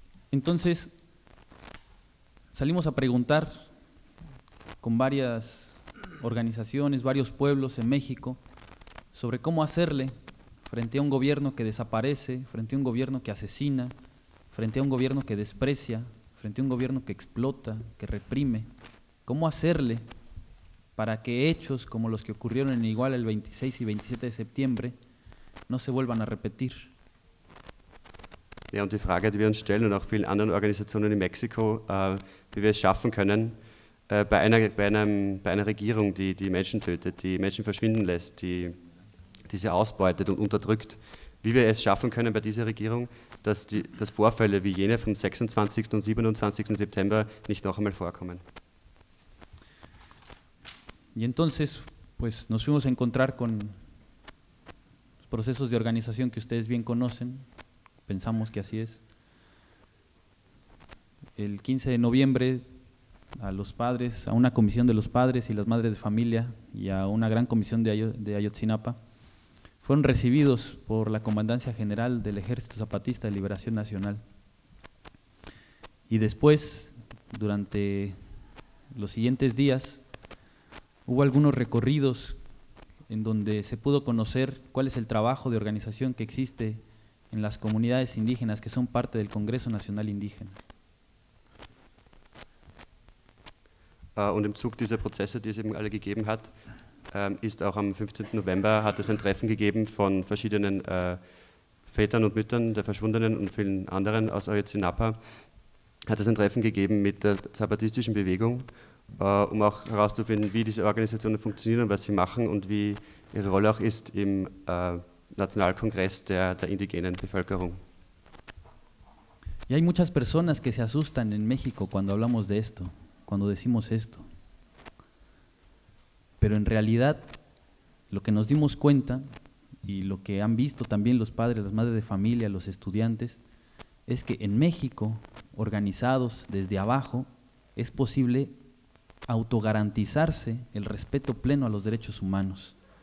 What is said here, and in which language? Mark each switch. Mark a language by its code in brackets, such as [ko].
[es] Entonces, salimos a preguntar con varias organizaciones, varios pueblos en México, sobre cómo hacerle frente a un gobierno que desaparece, frente a un gobierno que asesina, frente a un gobierno que desprecia, frente a un gobierno que explota, que reprime. ¿Cómo hacerle para que hechos como los que ocurrieron en Iguala el 26 y 27 de septiembre no se vuelvan a repetir? [de] Ja, und die Frage, die wir uns stellen und auch vielen anderen Organisationen in Mexiko, wie wir es schaffen können, bei einer Regierung, die Menschen tötet, die Menschen verschwinden lässt, die sie ausbeutet und unterdrückt, wie wir es schaffen können bei dieser Regierung, dass Vorfälle wie jene vom 26. und 27. September nicht noch einmal vorkommen. [es] Y entonces, pues, nos fuimos a encontrar con los procesos de organización que ustedes bien conocen. Pensamos que así es. El 15 de noviembre, a los padres, a una comisión de los padres y las madres de familia y a una gran comisión de Ayotzinapa, fueron recibidos por la Comandancia General del Ejército Zapatista de Liberación Nacional. Y después, durante los siguientes días, hubo algunos recorridos en donde se pudo conocer cuál es el trabajo de organización que existe en las comunidades indígenas que son parte del Congreso Nacional Indígena. [de] Und im Zug dieser Prozesse, die es eben alle gegeben hat, ist auch am 15. November hat es ein Treffen gegeben von verschiedenen Vätern und Müttern der Verschwundenen und vielen anderen aus Ayotzinapa, hat es ein Treffen gegeben mit der zapatistischen Bewegung, um auch herauszufinden, wie diese Organisationen funktionieren, was sie machen und wie ihre Rolle auch ist im Nationalkongress der indigenen Bevölkerung. [es] Y hay muchas personas que se asustan en México cuando hablamos de esto, cuando decimos esto. Pero en realidad, lo que nos dimos cuenta y lo que han visto también los padres, las madres de familia, los estudiantes, es que en México, organizados desde abajo, es posible autogarantizarse el respeto pleno a los derechos humanos.